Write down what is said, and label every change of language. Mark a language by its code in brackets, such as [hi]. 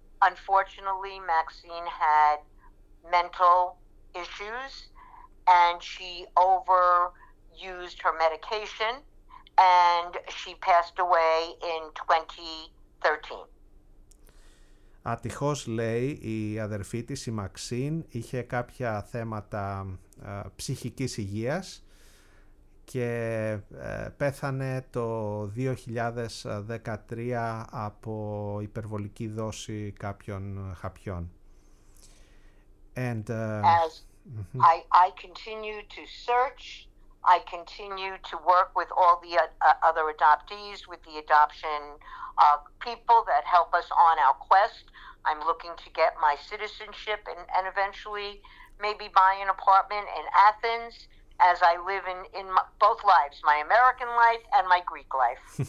[en] Unfortunately, Maxine had mental issues and she overused her medication and she passed away in 2013. [el] Ατυχώς, λέει, η αδερφή της, η Μαξίν, είχε κάποια θέματα ψυχικής υγείας και πέθανε το 2013 από υπερβολική δόση κάποιων χαπιών. [en] And, As I continue to search, I continue to work with all the other adoptees, with the adoption people that help us on our quest. I'm looking to get my citizenship and eventually maybe buy an apartment in Athens as I live in both lives, my American life and my Greek life.